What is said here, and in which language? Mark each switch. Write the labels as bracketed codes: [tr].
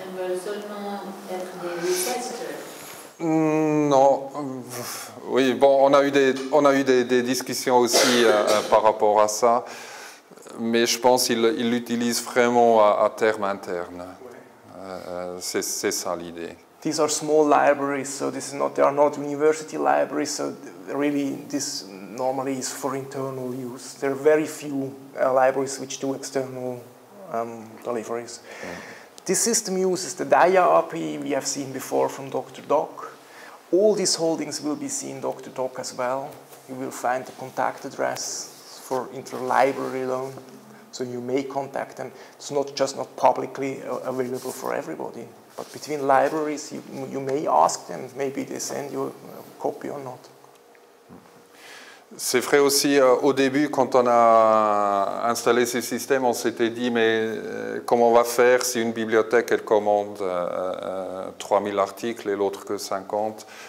[fr] Elles veulent seulement être des testeurs. Non. Oui, bon, on a eu des discussions aussi par rapport à ça, mais je pense qu'ils l'utilisent vraiment à terme interne. C'est ça l'idée. [en] These are small libraries, so this is not, they are not university libraries, so really this normally is for internal use. There are very few libraries which do external deliveries. Mm. This system uses the DIA API we have seen before from Dr. Doc. All these holdings will be seen in Dr. Doc as well. You will find the contact address for interlibrary loan. So you may contact them. It's not publicly available for everybody. But between libraries, you may ask them. Maybe they send you a copy or not. [fr] C'est vrai aussi, au début, quand on a installé ce système, on s'était dit, mais comment on va faire si une bibliothèque, elle commande 3000 articles et l'autre que 50?